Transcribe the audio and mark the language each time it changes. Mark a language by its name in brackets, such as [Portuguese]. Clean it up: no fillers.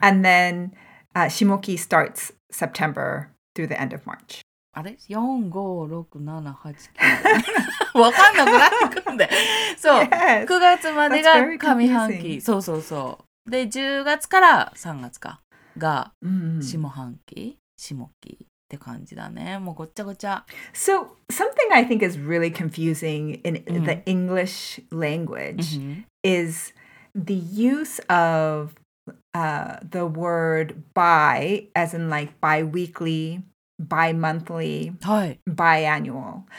[English] And then Shimoki starts September through the end of March. [Japanese] あれ?4,5,6,7,8,9. わかんなくなってくるんで。そう、9月までが上半期。そうそうそう。で、10月から3月かが下半期、下期。って感じだね。もうごっちゃごちゃ。 [English] So, something I think is really confusing in the English language is the use of the word bi, as in like bi-weekly, bi-monthly, bi-annual.